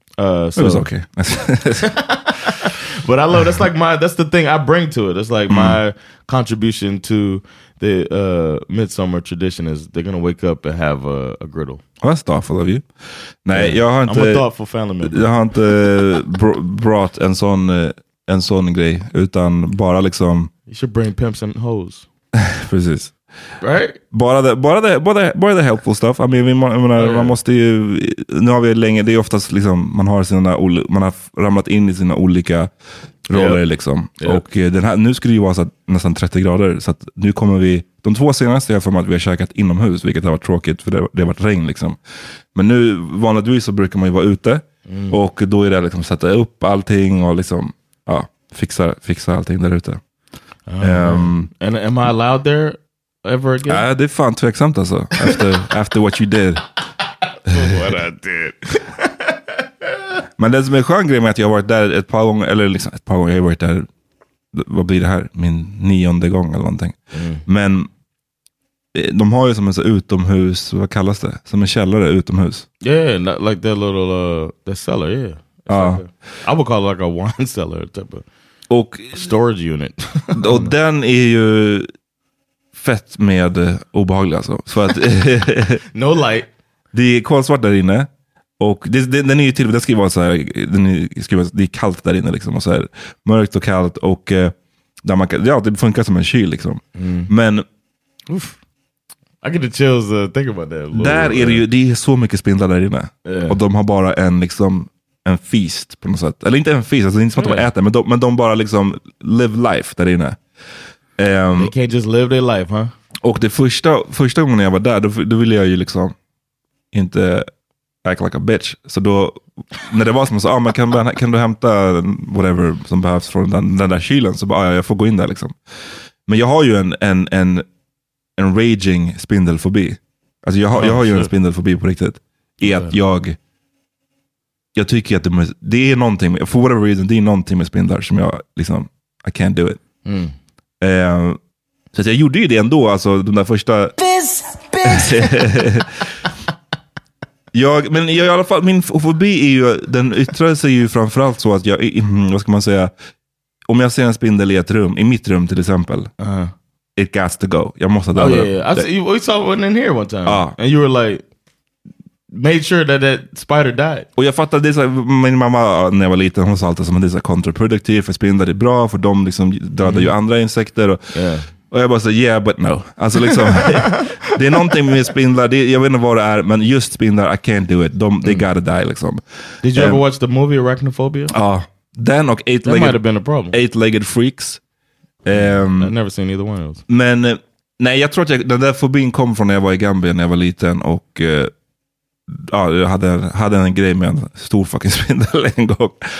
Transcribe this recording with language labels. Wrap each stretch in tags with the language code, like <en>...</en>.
<en>It was okay. But I love, that's like my, that's the thing I bring to it. It's like my contribution to the midsummer tradition is they're going to wake up and have a griddle. Oh, that's thoughtful of you.</en> <sv>Nej, jag har inte,</sv> <en>I'm a thoughtful family member.</en> <sv>Jag har inte brought en sån grej, utan bara liksom...</sv> <en>You should bring pimps and hoes.</en> <sv>Precis.</sv> <en>Right? Bara the helpful stuff. I mean,</en> <sv>man måste ju, nu har vi länge, det är oftast liksom man har ramlat in i sina olika roller liksom. Och den här, nu skulle det ju vara så nästan 30 grader, så att nu kommer vi, de två senaste jag för mig att vi har käkat inomhus, vilket har varit tråkigt för det har varit regn liksom. Men nu vanligtvis så brukar man ju vara ute och då är det liksom sätta upp allting och liksom ja, fixa allting där ute.</sv> <en>And am I allowed there? Ever again?</en> <sv>Ja, det är fan tveksamt alltså.</sv> <en>After what you did. What I did.</en> <sv>Men det som är skön grej med att jag har varit där ett par gånger, eller liksom ett par gånger, jag har varit där vad blir det här? Min nionde gång eller någonting. Mm. Men de har ju som en så utomhus, vad kallas det? Som en källare utomhus.</sv> <en>Yeah, not like that little the cellar, yeah. Like I would call it like a wine cellar type of</en> <sv>och</sv> <en>storage unit.</en> <sv>Och den är ju fett med obehaglig alltså. För att</sv> <en>no light.</en> <sv>Det är kolsvart där inne. Och den är ju till, den ska ju vara så här, den ska vara, det är kallt där inne liksom, och så här, mörkt och kallt, och där man, ja, det funkar som en kyl liksom. Mm. Men uff.</sv> <en>I get the chills think about that.</en> <sv>Där är det ju, det är så mycket spindlar där inne. Yeah. Och de har bara en liksom en feast på något sätt. Eller inte en feast, alltså, det är inte som att de bara äter, men de bara liksom</sv> <en>live life</en> <sv>där inne.</sv> <en>They can't just live their life, huh?</en> <sv>Och det första gången jag var där, då ville jag ju liksom inte</sv> <en>act like a bitch.</en> <sv>Så då, när det var som att säga, kan du hämta whatever som behövs från den där kylen? Så bara, ja, jag får gå in där liksom. Men jag har ju en raging spindelfobi. Alltså jag har ju en spindelfobi på riktigt. I att jag tycker att det är någonting,</sv> <en>for whatever reason,</en> <sv>det är någonting med spindlar som jag liksom,</sv> <en>I can't do it. Mm.</en> <sv>Så att jag gjorde ju det ändå, alltså de där första...</sv> <en>Bitch!</en> <sv>Men jag i alla fall, min fobi är ju, den yttrar sig ju framförallt så att jag, vad ska man säga, om jag ser en spindel i ett rum, i mitt rum till exempel,</sv> <en>it gots to go.</en> <sv>Jag måste döda</sv> <en>We saw one in here one time. And you were like, made sure that spider died.</en> <sv>Och jag fattade det, så min mamma när jag var liten, hon sa alltid som att det är kontraproduktivt, för spindlar är bra, för de liksom dödar ju andra insekter. Och jag bara sa,</sv> <en>yeah, but no.</en> <sv>Alltså liksom, det är någonting med spindlar, jag vet inte vad det är, men just spindlar,</sv> <en>I can't do it. They gotta die, liksom. Did you ever watch the movie Arachnophobia?</en> <sv>Ja. Den och</sv> <en>Eight-Legged Freaks. I've never seen either one of those.</en> <sv>Men, nej, jag tror att den där fobin kom från när jag var i Gambia, när jag var liten, och... Ja, jag hade en grej med en stor fucking spindel en gång.</sv>